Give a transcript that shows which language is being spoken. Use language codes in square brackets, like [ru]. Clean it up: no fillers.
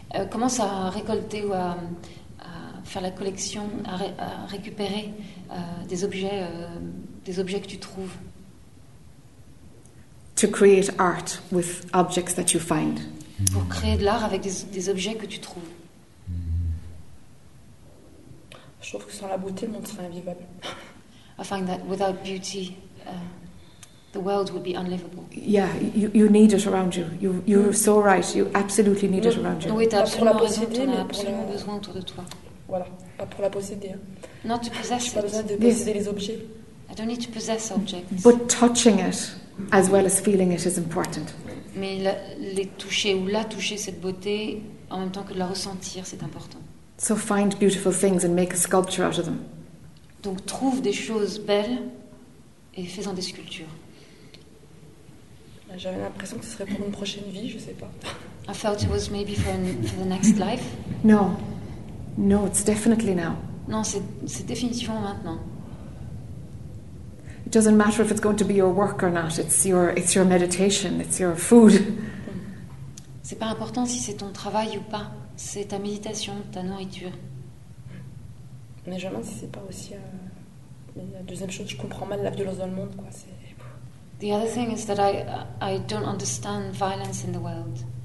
[fr] Commence à récolter ou à faire la collection, à récupérer des objets que tu trouves. [en] To create art with objects that you find. [fr] Pour créer de l'art avec des objets que tu trouves. Je trouve que sans la beauté, le monde serait invivable. [en] I find that without beauty, the world would be unlivable. Yeah, you need it around you. You're so right. You absolutely need it around you. [fr] Oui, t'as absolument raison. T'en as absolument besoin autour de toi. Voilà, pas pour la posséder. [en] Not to possess it. [fr] J'ai pas besoin de posséder les objets. [en] I don't need to possess objects. But touching it, as well as feeling it, is important. [fr] Mais les toucher ou la toucher, cette beauté, en même temps que de la ressentir, c'est important. [en] So find beautiful things and make a sculpture out of them. [fr] Donc trouve des choses belles et fais-en des sculptures. J'avais l'impression que ce serait pour une prochaine vie, je sais pas. [en] I felt it was maybe for the next life. No. No, it's definitely now. [fr] Non, c'est définitivement maintenant. [en] It doesn't matter if it's going to be your work or not. It's your meditation, it's your food. [fr] C'est pas important si c'est ton travail ou pas. C'est ta méditation, ta nourriture. Mais je me demande si c'est pas aussi la deuxième chose, je comprends mal la violence dans le monde, quoi. [en] The other thing is that I don't understand violence in the world.